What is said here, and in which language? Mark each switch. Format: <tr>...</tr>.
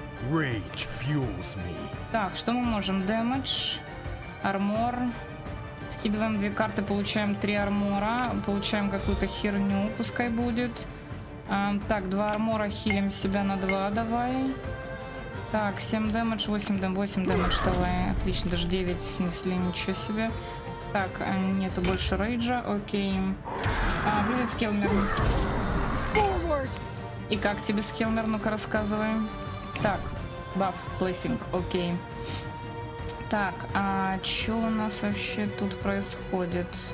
<en>Rage fuels me.</en> <ru>Так, что мы можем? Damage, армор. Скидываем две карты, получаем три армора. Получаем какую-то херню, пускай будет. Так, два армора, хилим себя на два, давай. Так, 7 дэмэдж, 8 дэмэдж, 8 дэмэдж, давай. Отлично, даже 9 снесли, ничего себе. Так, нету больше рейджа, окей. А, привет, Скелмер. И как тебе, Скелмер, ну-ка рассказывай. Так, баф, блессинг, окей. Так, а чё у нас вообще тут происходит?</ru>